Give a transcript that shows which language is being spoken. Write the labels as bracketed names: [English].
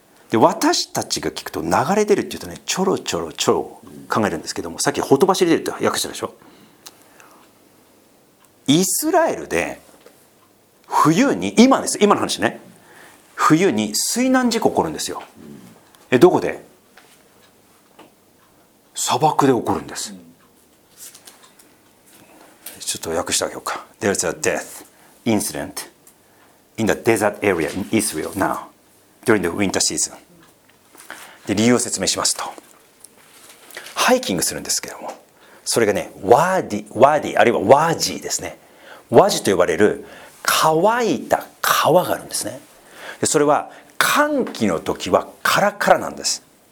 [Japanese] で、私たちが聞くと流れ出るっていうとね、ちょろちょろちょろ考えるんですけども、さっきほとばしり出るって訳したでしょ。イスラエルで冬に、今です、今の話ね、冬に水難事故起こるんですよ。どこで？砂漠で起こるんです。ちょっと訳してあげようか。 [English] There's a death incident in the desert area in Israel now during the winter season. [Japanese] で、理由を説明しますと、ハイキングするんですけども、それがね、ワーディあるいはワージーですね、ワジと呼ばれる乾いた川があるんですね。で、それは乾季の時はカラカラなんです。